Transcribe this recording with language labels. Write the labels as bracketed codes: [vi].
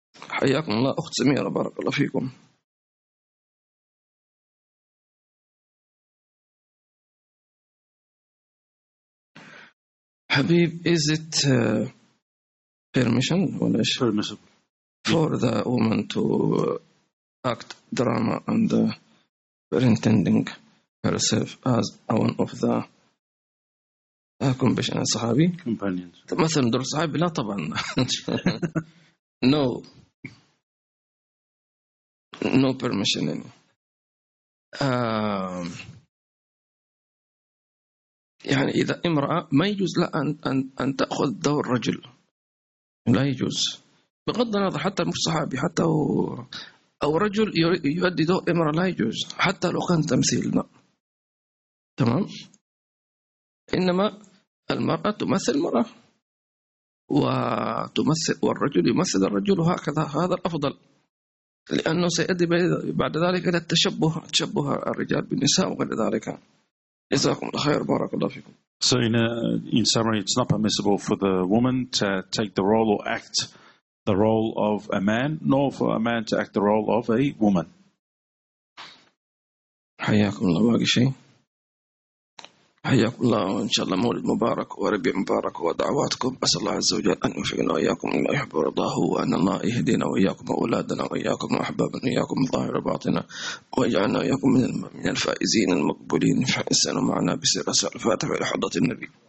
[ar] حياكم الله أخت سميرة بارك الله فيكم. [en] حبيب is it permission [ar] ولا إيش؟ [en] permission for the woman to act drama and pretending herself as one of the companion صحابي. companions [ar] مثلا دور صحابي لا طبعا [en] no no permission any. [ar] يعني إذا امرأة ما يجوز لها أن تأخذ دور رجل لا يجوز بغض النظر حتى مش صحابي حتى أو رجل يؤدي دور امرأة لا يجوز حتى لو كان تمثيلنا تمام إنما المرأة تمثل المرأة وتمثل والرجل يمثل الرجل وهكذا هذا الأفضل لأنه سيؤدي بعد ذلك إلى التشبه تشبه الرجال بالنساء وغير ذلك. جزاكم الله خير بارك الله فيكم. [en] So in summary, it's not permissible for the woman to take the role or act the role of a man, nor for a man to act the role of a woman. [ar] حياكم الله باقي شيء. حياكم الله وإن شاء الله مولد مبارك وربيع مبارك ودعواتكم أسأل الله عز وجل أن يوفقنا وإياكم لما يحب ورضاه وأن الله يهدينا وإياكم أولادنا وإياكم وأحبابنا وإياكم ظاهر باطنا ويجعلنا وإياكم من الفائزين المقبولين فأسألوا معنا بسر أسأل الفاتحة إلى حضرة النبي.